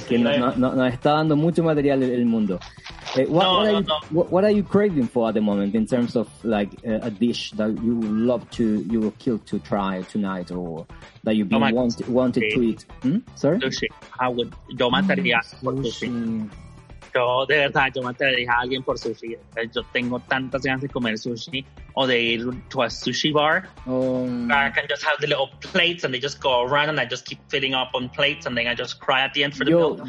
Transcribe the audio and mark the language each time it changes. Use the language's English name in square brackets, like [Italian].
[Spanish] Es que no está dando mucho material el mundo. [English] What are you craving for at the moment in terms of like a dish that you would love to, you would kill to try tonight or that you've been wanted to eat? Sorry? [Spanish] Sushi. Yo mataría por sushi. Yo, de verdad, yo mataría a alguien por sushi. Yo tengo tantas ganas de comer sushi o de ir [English] to a sushi bar. I can just have the little plates and they just go around and I just keep filling up on plates and then I just cry at the end for the meal.